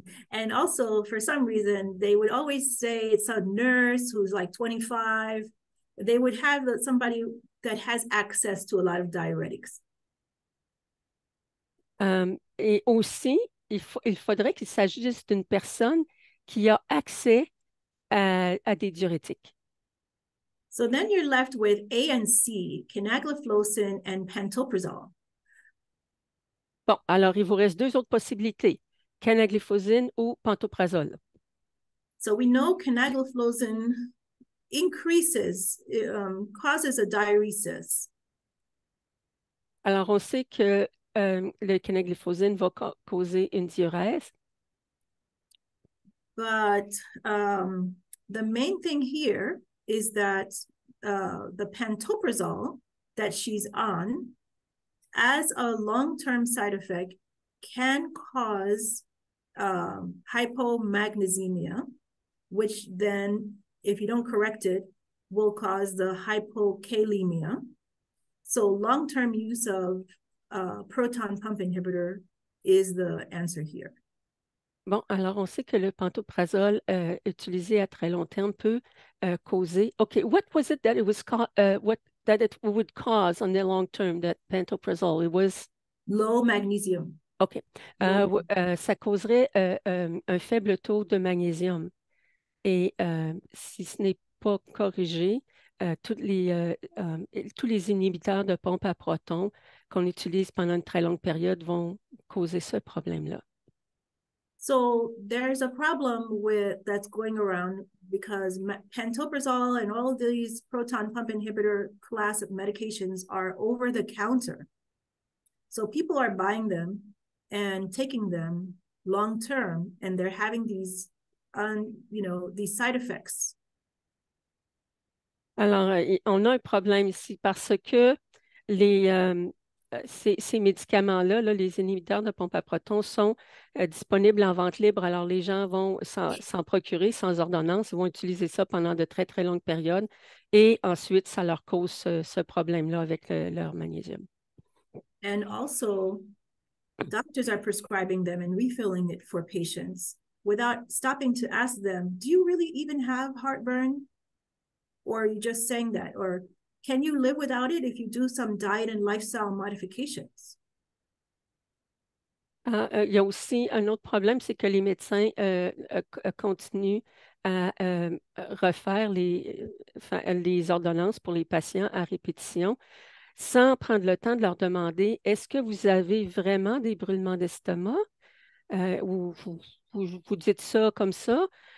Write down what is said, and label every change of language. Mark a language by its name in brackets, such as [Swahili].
[English] And also, for some reason, they would always say it's a nurse who's like 25. They would have somebody that has access to a lot of diuretics. [French] Et aussi, il faudrait qu'il s'agisse d'une personne qui a accès à des diurétiques. [English] So then you're left with A and C, canagliflozin and pantoprazole. [French] Bon, alors il vous reste deux autres possibilités, canagliflozin ou pantoprazole. [English] So we know canagliflozin increases, causes a diuresis. [French] Alors, on sait que le canagliflozin va ca causer une diurèse. [English] But the main thing here is that the pantoprazole that she's on, as a long-term side effect, can cause hypomagnesemia. Which then, if you don't correct it, will cause the hypokalemia. So long-term use of proton pump inhibitor is the answer here. [French] Bon, alors on sait que le pantoprazole utilisé à très long terme peut causer. [English] OK, what was it that it was called, what that it would cause on the long term, that pantoprazole? It was. Low magnesium. OK. Low. [French] Ça causerait un faible taux de magnésium. Et si ce n'est pas corrigé, tous les inhibiteurs de pompe à protons qu'on utilise pendant une très longue période vont causer ce problème-là. [English] So there's a problem with that's going around because pantoprazole and all these proton pump inhibitor class of medications are over the counter. So people are buying them and taking them long term, and they're having these these side effects. [French] Alors, on a un problème ici parce que ces médicaments-là, là, les inhibiteurs de pompe à protons, sont disponibles en vente libre. Alors, les gens vont s'en procurer sans ordonnance, ils vont utiliser ça pendant de très, très longues périodes et ensuite, ça leur cause ce problème-là avec leur magnésium. [English] And also, doctors are prescribing them and refilling it for patients without stopping to ask them, do you really even have heartburn? Or are you just saying that? Or can you live without it if you do some diet and lifestyle modifications? [French] Il y a aussi un autre problème, c'est que les médecins continuent à refaire les ordonnances pour les patients à répétition sans prendre le temps de leur demander est-ce que vous avez vraiment des brûlements d'estomac ou vous dites ça comme ça?